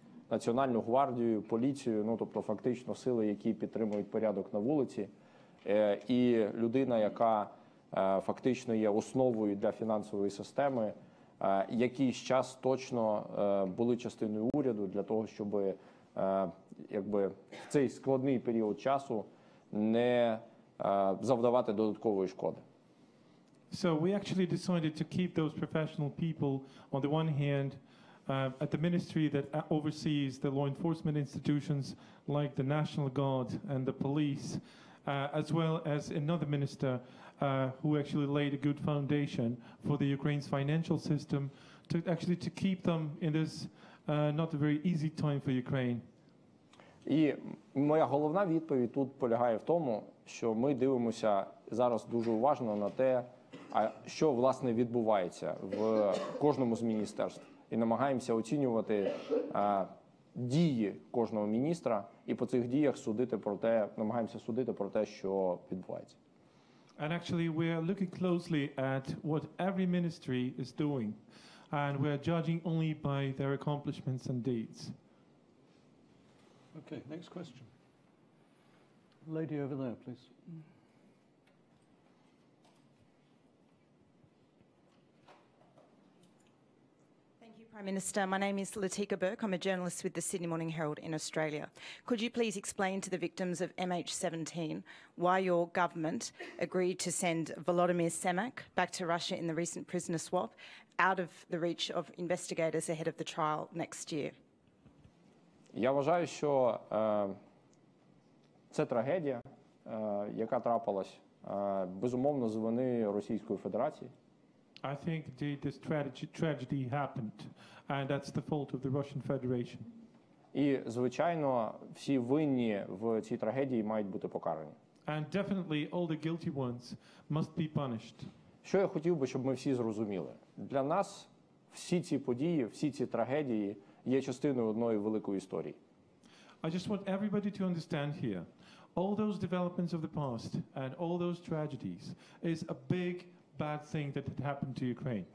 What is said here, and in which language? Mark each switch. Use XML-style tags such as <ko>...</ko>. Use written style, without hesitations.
<uk>Національну гвардію, поліцію, ну, тобто фактично сили, які підтримують порядок на вулиці, і людина, яка фактично є основою для фінансової системи, які зараз точно були частиною уряду для того, щоб якби в цей складний період часу не завдавати додаткової шкоди.</uk> <en>So we actually decided to keep those professional people on the one hand at the ministry that oversees the law enforcement institutions like the National Guard and the police, as well as another minister who actually laid a good foundation for the Ukraine's financial system to keep them in this not a very easy time for Ukraine.</en> <uk>І моя головна відповідь тут полягає в тому, що ми дивимося зараз дуже уважно на те, що власне відбувається в кожному з міністерств і намагаємося оцінювати дії кожного міністра і по цих діях судити про те, що відбувається.</uk> <en>And actually, we are looking closely at what every ministry is doing, and we are judging only by their accomplishments and deeds. Okay, next question. Lady over there, please. Prime Minister, my name is Latika Burke. I'm a journalist with the Sydney Morning Herald in Australia. Could you please explain to the victims of MH17 why your government agreed to send Volodymyr Semak back to Russia in the recent prisoner swap out of the reach of investigators ahead of the trial next year?</en> <uk>Я вважаю, що це трагедія, яка трапилась, безумовно, з вини Російської Федерації.</uk> <en>I think this tragedy happened, and that's the fault of the Russian Federation.</en> <uk>І звичайно, всі винні в цій трагедії мають бути покарані.</uk> <en>And definitely all the guilty ones must be punished.</en> <uk>Що я хотів би, щоб ми всі зрозуміли? Для нас всі ці події, всі ці трагедії є частиною одної великої історії.</uk> <en>I just want everybody to understand here. All those developments of the past and all those tragedies is a big bad thing that had happened to Ukraine.</en>